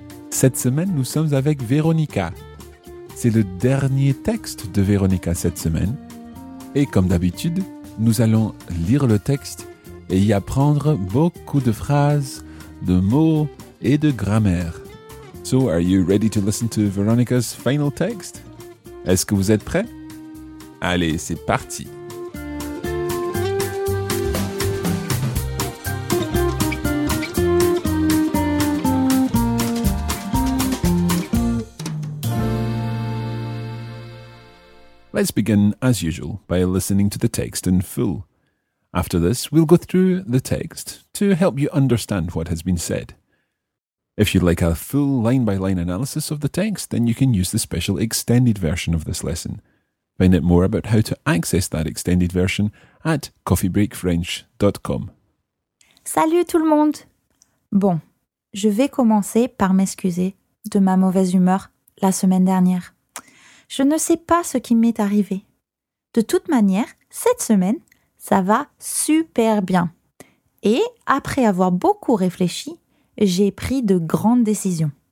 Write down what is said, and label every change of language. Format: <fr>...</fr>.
<fr>Cette semaine, nous sommes avec Véronica. C'est le dernier texte de Véronica cette semaine. Et comme d'habitude, nous allons lire le texte et y apprendre beaucoup de phrases, de mots et de grammaire.</fr> <en>So, are you ready to listen to Veronica's final text?</en> <fr>Est-ce que vous êtes prêts? Allez, c'est parti!</fr> <en>Let's begin, as usual, by listening to the text in full. After this, we'll go through the text to help you understand what has been said. If you'd like a full line-by-line analysis of the text, then you can use the special extended version of this lesson. Find out more about how to access that extended version at coffeebreakfrench.com.</en> <fr>Salut tout le monde! Bon, je vais commencer par m'excuser de ma mauvaise humeur la semaine dernière. Je ne sais pas ce qui m'est arrivé. De toute manière, cette semaine, ça va super bien. Et après avoir beaucoup réfléchi, j'ai pris de grandes décisions.</fr>